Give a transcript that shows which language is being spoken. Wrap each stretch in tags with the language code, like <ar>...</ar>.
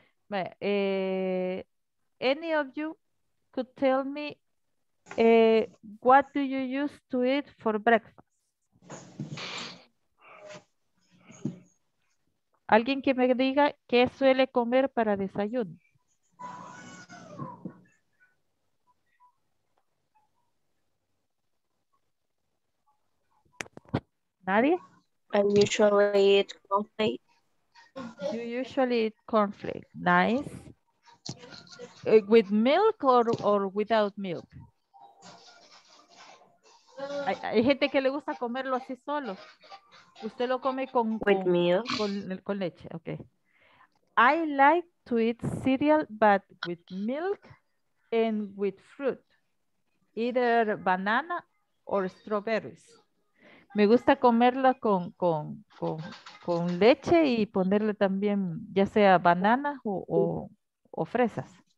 <en>Any of you could tell me what do you use to eat for breakfast?</en> <es>¿Alguien que me diga qué suele comer para desayuno? ¿Nadie?</es> <en>I usually eat cornflakes. You usually eat cornflakes. Nice. With milk or without milk?</en> <es>Hay gente que le gusta comerlo así solo. Usted lo come con</es> <en>with meal.</en> <es>Con leche,</es> <en>okay. I like to eat cereal, but with milk and with fruit. Either banana or strawberries.</en> <es>Me gusta comerla con leche y ponerle también ya sea bananas o fresas.</es>